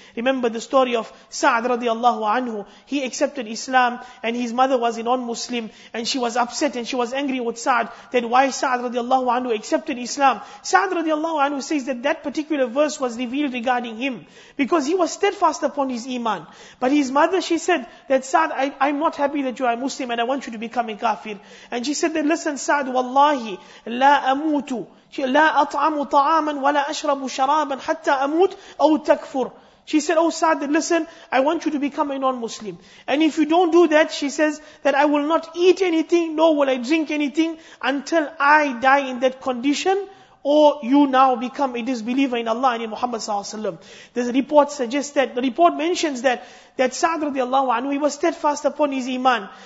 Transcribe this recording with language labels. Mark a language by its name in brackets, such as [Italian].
[English] Remember the story of Sa'd radiallahu anhu. He accepted Islam and his mother was a non-Muslim, and she was upset and she was angry with Sa'd. Then why Sa'd radiallahu anhu accepted Islam? Sa'd radiallahu anhu says that that particular verse was revealed regarding him because he was steadfast upon his iman. But his mother, she said that, Sa'd, I'm not happy that you are a Muslim and I want you to become a kafir. And she said that, listen Sa'd, [Arabic] wallahi la amutu, لا أطعم طعاما ولا أشرب شرابا حتى أموت أو تكفر. [English] She said, oh Sa'd, listen, I want you to become a non-Muslim. And if you don't do that, she says, that I will not eat anything, nor will I drink anything, until I die in that condition, or you now become a disbeliever in Allah and in Muhammad sallallahu alaihi wasallam. There's a report suggests that, the report mentions that, that Sa'd radiallahu anhu, he was steadfast upon his iman.